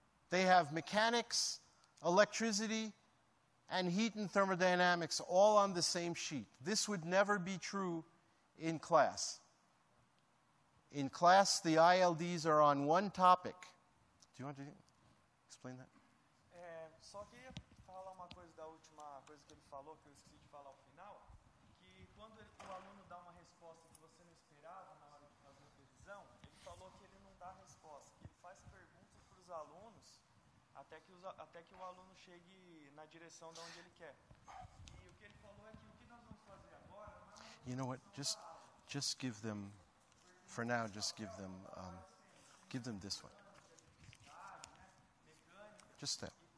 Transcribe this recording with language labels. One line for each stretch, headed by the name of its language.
English: They have mechanics, electricity, and heat and thermodynamics all on the same sheet. This would never be true in class. In class, the ILDs are on one topic. Do you want to explain that?
Portuguese: Só queria falar uma coisa da última coisa que ele falou, que eu esqueci de falar ao final, que quando ele, o aluno dá uma resposta que você não esperava na hora de fazer a revisão, ele falou que ele não dá resposta, que ele faz perguntas para os alunos até que o aluno chegue na direção de onde ele quer. E o que ele falou é que o que nós vamos fazer agora...
English: You know what, just give them, for now, just give them this one. Just that.